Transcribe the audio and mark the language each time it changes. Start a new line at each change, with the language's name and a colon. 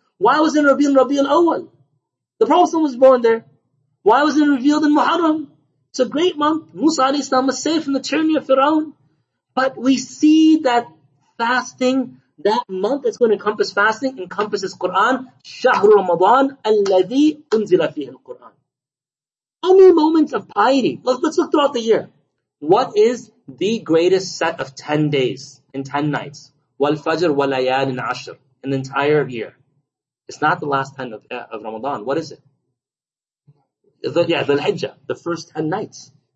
English: Why was it revealed in Rabi al-Awwal? The Prophet was born there. Why was it revealed in Muharram? It's a great month. Musa alayhi salam was saved from the tyranny of Firaun. But we see that fasting, that month that's going to encompass fasting, encompasses Quran.
Arabic: شهر رمضان الذي أنزل فيه القرآن.
English: How many moments of piety? Let's look throughout the year. What is the greatest set of 10 days and 10 nights?
Arabic: والفجر والليالي العشر.
English: In the entire year. It's not the last 10 of Ramadan. What is it? The Hijjah, the first 10 nights.